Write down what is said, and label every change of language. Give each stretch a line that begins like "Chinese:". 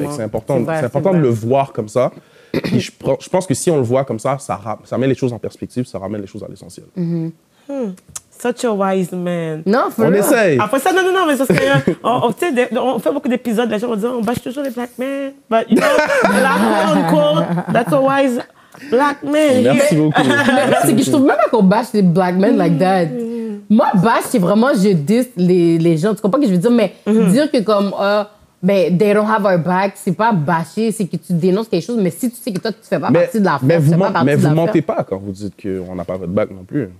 French: Fait que c'est important de le voir comme ça. Puis je pense que si on le voit comme ça, ça met les choses en perspective, ça ramène les choses à l'essentiel. Mm-hmm.
English: Such a wise man.
French: Non, on essaye. Après ça, non, mais ça serait. On fait beaucoup d'épisodes, les gens vont dire on bâche toujours les black men.
English: But you know, black man called, that's a wise black man.
French: Merci beaucoup. Merci. Je trouve même pas qu'on bâche les black men
English: like that.
French: Moi, bâche, c'est vraiment, je dis les gens. Tu comprends ce que je veux dire? Mais dire que comme. Mais
English: they don't have our back,
French: c'est pas bâcher, c'est que tu dénonces quelque chose, mais si tu sais que toi, tu fais pas partie de la force, Mais vous mentez pas quand vous dites qu'on n'a pas votre back non plus.